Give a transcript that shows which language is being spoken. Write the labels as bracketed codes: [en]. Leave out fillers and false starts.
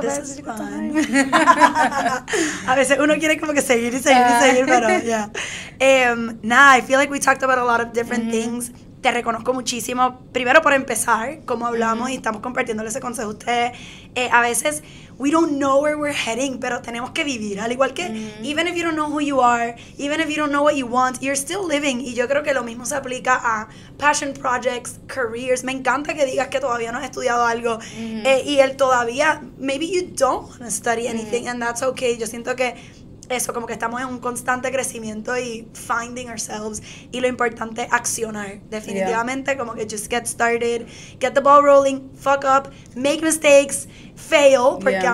[en] This is fun. [es] A veces uno quiere como que seguir y seguir y seguir, pero [en] I feel like we talked about a lot of different things. [es] Te reconozco muchísimo, primero por empezar, como hablamos y estamos compartiéndole ese consejo a ustedes. A veces, [en] we don't know where we're heading, [es] pero tenemos que vivir. Al igual que, [en] even if you don't know who you are, even if you don't know what you want, you're still living. [es] Y yo creo que lo mismo se aplica a passion projects, careers. Me encanta que digas que todavía no has estudiado algo. Y el todavía, [en] maybe you don't want to study anything, and that's okay. [es] Yo siento que eso, como que estamos en un constante crecimiento y [en] finding ourselves, [es] y lo importante, accionar, definitivamente, [en] yeah. [es] Como que [en] just get started, get the ball rolling, fuck up, make mistakes, fail, [es] porque [en] yeah.